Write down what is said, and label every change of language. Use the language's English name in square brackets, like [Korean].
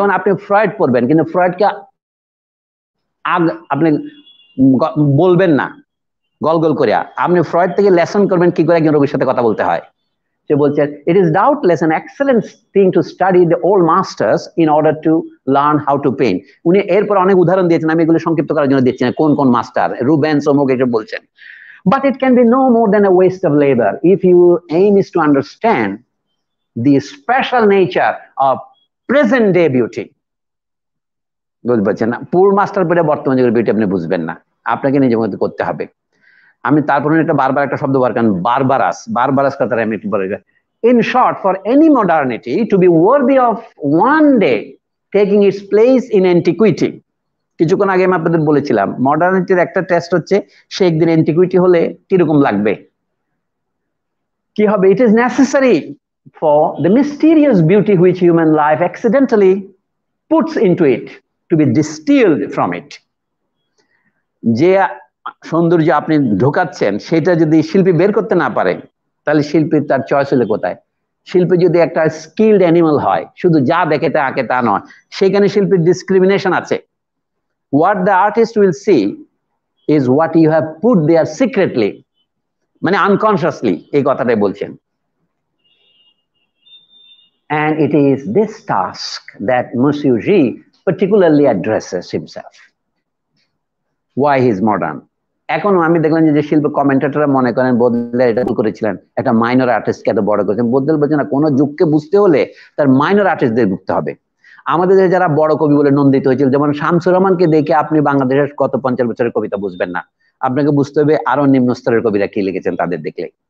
[Bangla] যেমন আপনি ফ্রয়েড পড়বেন, কিন্তু ফ্রয়েডকে আপনি বলবেন না গল গল করে, আপনি ফ্রয়েড থেকে লেসন করবেন কি করে একজন রোগীর সাথে কথা বলতে হয়। সে বলছে [English] It is doubtless an excellent thing to study the old masters in order to learn how to paint. [Bangla] উনি এরপর অনেক উদাহরণ দিয়েছেন, আমি এগুলো সংক্ষিপ্ত করার জন্য দিচ্ছি না, কোন কোন মাস্টার রুবেন্স ওমুক এসব বলছেন। [English] But it can be no more than a waste of labor if your aim is to understand the special nature of present day beauty. [Bangla] বুঝবেন পুর মাস্টার পরে বর্তমান যুগের বিউটি আপনি বুঝবেন না, আপনাকে নিজের মধ্যে করতে হবে। আমি তারপরে একটা বারবার একটা শব্দ বার করেন, বারবারাস, বারবারাস কথা আমি একটু বলে। [English] In short, for any modernity to be worthy of one day taking its place in antiquity. [Bangla] কিছুক্ষণ আগে আমি আপনাদের বলেছিলাম মডার্নিটির একটা টেস্ট হচ্ছে সে একদিন অ্যান্টিকুইটি হলে কিরকম লাগবে, কি হবে। [English] It is necessary for the mysterious beauty which human life accidentally puts into it to be distil from it. [Bangla] যে সৌন্দর্য আপনি ঢোকাচ্ছেন সেটা যদি শিল্পী বের করতে না পারে তাহলে শিল্পীর তার চয়েস হলে কোথায়। শিল্পী যদি একটা স্কিলড অ্যানিমাল হয়, শুধু যা দেখে তা আঁকে তা নয়, সেখানে শিল্পীর ডিসক্রিমিনেশন আছে। [English] What the artist will see is what you have put there secretly, মানে unconsciously, [Bangla] এই কথাটাই বলছেন। [English] And it is this task that Monsieur G particularly addresses himself. Why he is modern? [Bangla] এখন আমি দেখলাম যে শিল্প কমেন্টেটররা মনে করেন বোদলে এটা ভুল করেছিলেন, একটা মাইনর আর্টিস্টকে এত বড় করেছেন। বোদলে বলছেন না, কোনো যুগকে বুঝতে হলে তার মাইনর আর্টিস্টদের বুঝতে হবে। আমাদের দেশে যারা বড় কবি বলে নন্দিত হয়েছিল, যেমন শামসুর রহমানকে দেখে আপনি বাংলাদেশের কত 50 বছরের কবিতা বুঝবেন না, আপনাকে বুঝতে হবে আরো নিম্নস্তরের কবিরা কি লিখেছেন তাদের দেখলে।